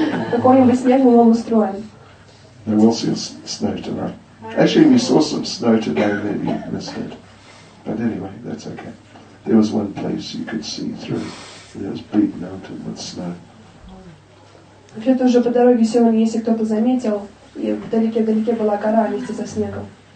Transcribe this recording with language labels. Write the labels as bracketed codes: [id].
[ru] Какой-нибудь снег мы вам устроим. [en] There will be snow tonight. Actually, we saw some snow today that you missed it. But anyway, that's okay. There was one place you could see through. There was a big mountain with snow. [ru] Вообще тоже по дороге сегодня, если кто-то заметил, и вдалеке-вдалеке была гора вместе со снегом.